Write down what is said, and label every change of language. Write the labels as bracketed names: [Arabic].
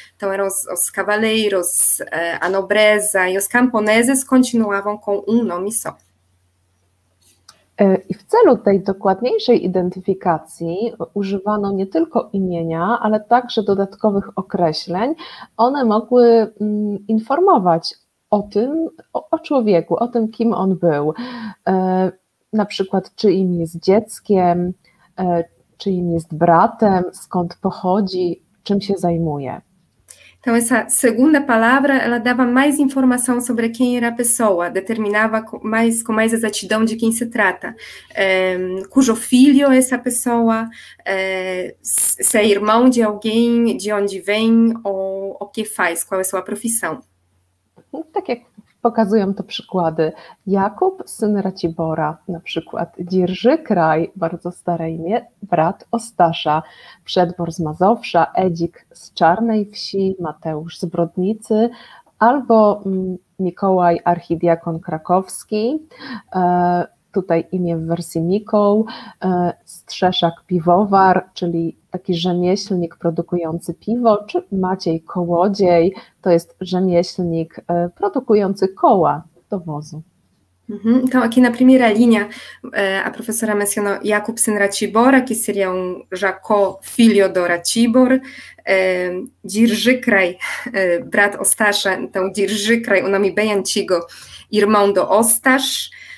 [Portuguese] Então eram os cavaleiros, a nobreza e os camponeses continuavam com um nome só. [Polish] I w celu tej dokładniejszej identyfikacji używano nie tylko imienia, ale także dodatkowych określeń. One mogły informować o tym, o człowieku, o tym, kim on był. Na przykład, czy im jest dzieckiem, czy im jest bratem, skąd pochodzi, czym się zajmuje. [Portuguese] Então, essa segunda palavra, ela dava mais informação sobre quem era a pessoa, determinava com mais exatidão de quem se trata, cujo filho é essa pessoa, se é irmão de alguém, de onde vem, ou o que faz, qual é a sua profissão. [Polish] Tak jak pokazują to przykłady, Jakub, syn Racibora, na przykład Dzierży Kraj, bardzo stare imię, brat Ostasza, Przedbor z Mazowsza, Edzik z Czarnej Wsi, Mateusz z Brodnicy, albo Mikołaj Archidiakon Krakowski, tutaj imię w wersji Mikoł, Strzeszak Piwowar, czyli taki rzemieślnik produkujący piwo, czy Maciej Kołodziej, to jest rzemieślnik produkujący koła do wozu. [Portuguese] Então, aqui na primeira linha, a professora mencionou Jakub [Polish] syn Racibora, [Portuguese] que seria Jacó, filho do Racibor, Dzierży Kraj, [Polish] brat Ostasza, [Portuguese] então Dzierży Kraj, o nome bem antigo, irmão do Ostasz.